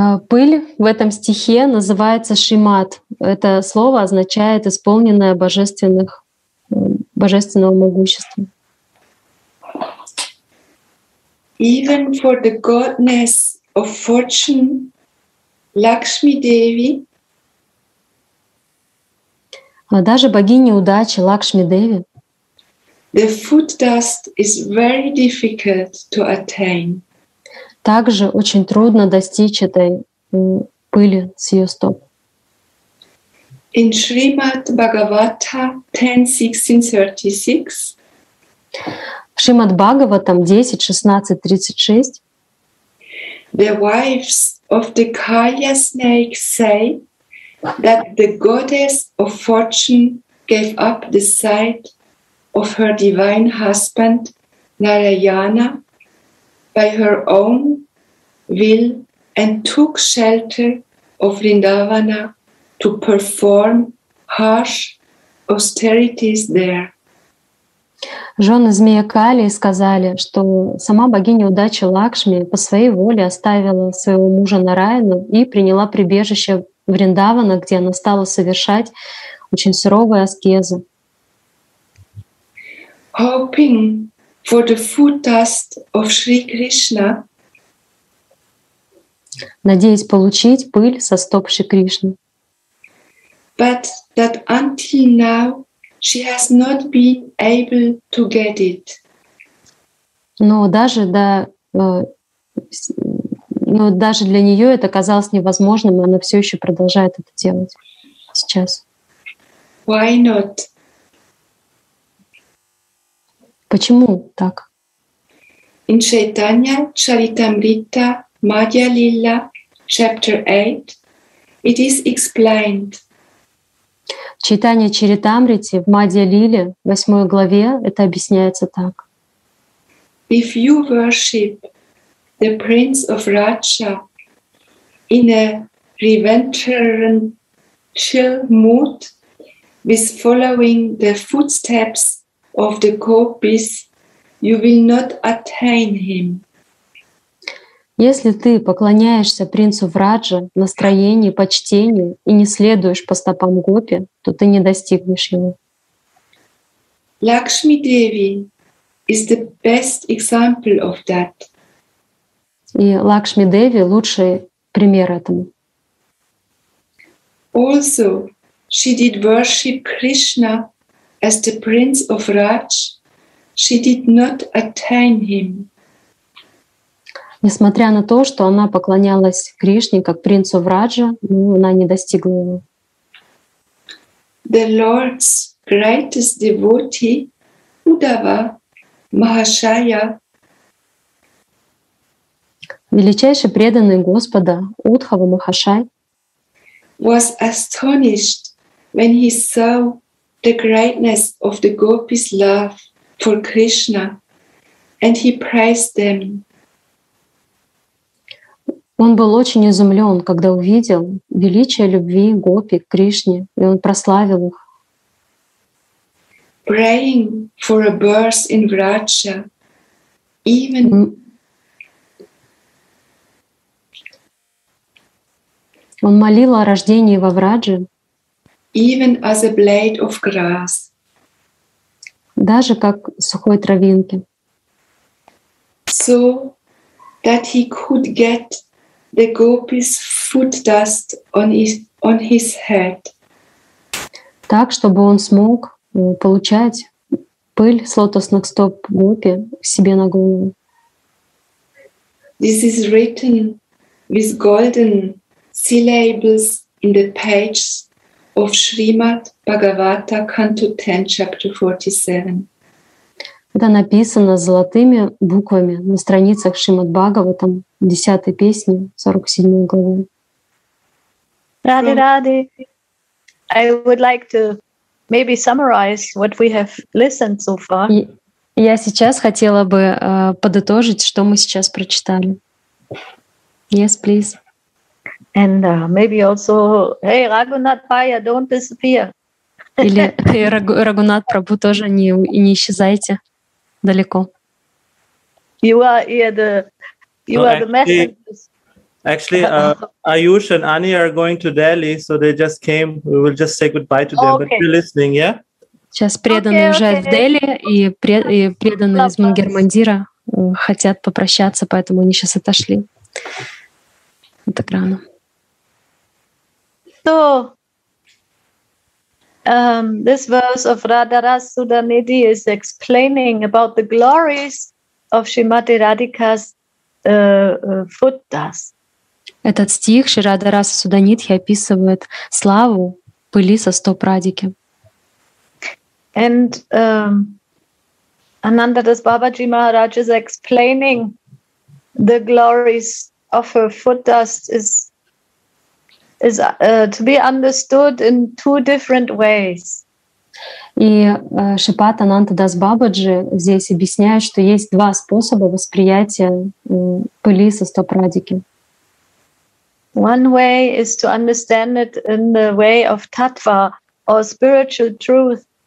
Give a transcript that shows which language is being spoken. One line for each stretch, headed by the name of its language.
Russian: Пыль в этом стихе называется шимат. Это слово означает исполненное божественного могущества.
English: Even for the goddess of fortune, Lakshmi Devi.
Russian: Даже богиня удачи Лакшми Деви.
English: The foot dust is very difficult to attain.
Russian: Также очень трудно достичь этой пыли с ее стоп.
English: In Shrimad Bhagavata 10.16.36
Russian: В Шримад Бхагаватам 10.16.36
English: The wives of the Kaya snake say that the goddess of fortune gave up the sight of her divine husband Narayana by her own will and took shelter of Vrindavana to perform harsh austerities there.
Russian: Жены змея Кали сказали, что сама богиня удачи Лакшми по своей воле оставила своего мужа Нараяну и приняла прибежище Вриндавана, где она стала совершать очень суровые аскезы.
English: Hoping for the foot dust of Sri Krishna.
Russian: Надеясь получить пыль со стоп Шри Кришны.
English: But that until now she has not been able to get it.
Russian: Но даже для нее это казалось невозможным, и она все еще продолжает это делать сейчас.
English: Why not?
Russian: Почему так?
English: In Chaitanya Charitamrita Madhya Lila chapter 8 it is explained.
Russian: Chaitanya Charitamrita в Мадья Лиле, 8 главе, это объясняется так.
English: If you worship the prince of Raja in a reverential mood with following the footsteps of the gopis, you will not attain him.
Russian: Если ты поклоняешься принцу Враджа в настроении почтения и не следуешь по стопам гопи, то ты не достигнешь его.
English: Lakshmi Devi is the best example of that.
Russian: И Лакшми Деви лучший пример этому.
English: Also, she did worship Krishna as the prince of Raj, she did not attain him.
Russian: Несмотря на то, что она поклонялась Кришне как принцу Враджа, но она не достигла его.
English: The Lord's greatest devotee, Uddhava Mahashaya.
Russian: Величайший преданный Господа, Уддхава Махашай.
English: Was astonished when he saw the greatness of the gopis' love for Krishna, and he praised them.
Russian: Он был очень изумлен, когда увидел величие любви гопи к Кришне, и он прославил их.
English: Praying for a birth in Vraja, even
Russian: он молил о рождении во Врадже.
English: Even as a blade of grass.
Russian: Даже как сухой травинки.
English: So that he could get the gopis' foot dust on his head.
Russian: Так, чтобы он смог получать пыль с лотосных стоп гопи себе на голову.
English: This is written with golden syllables in the pages of Shrimad Bhagavata, Canto 10, Chapter 47.
Russian: Это написано золотыми буквами на страницах Шримад Бхагаватам, 10 песни, 47 главы.
English: Раде, Раде, I would like to maybe summarize what we have listened so far.
Russian: Я сейчас хотела бы подытожить, что мы сейчас прочитали.
English: Yes, please. And maybe also, hey, Raghunath Pai, don't disappear.
Russian: Или Raghunath Prabhu, тоже не исчезайте далеко.
English: You are the messenger. Actually, Ayush and Ani are going to Delhi, so they just came. We will just say goodbye to them, but you're listening, yeah?
Russian: Сейчас преданные уже в Дели и преданные из Мангермандира хотят попрощаться, поэтому они сейчас отошли от экрана.
English: So, this verse of Radharas Sudhanidhi is explaining about the glories of Shrimati Radhika's foot dust.
Russian: Этот стих Шри Радарас Суданидхи описывает славу пыли со стоп Радхики.
English: And Anandadas Babaji Maharaj is explaining the glories of her foot dust is to be understood in two different ways.
Russian: И Шипат Анандадас Бабаджи здесь объясняет, что есть два способа восприятия пыли со стоп Радхики.
English: One way is to understand it in the way of tattva or spiritual truth.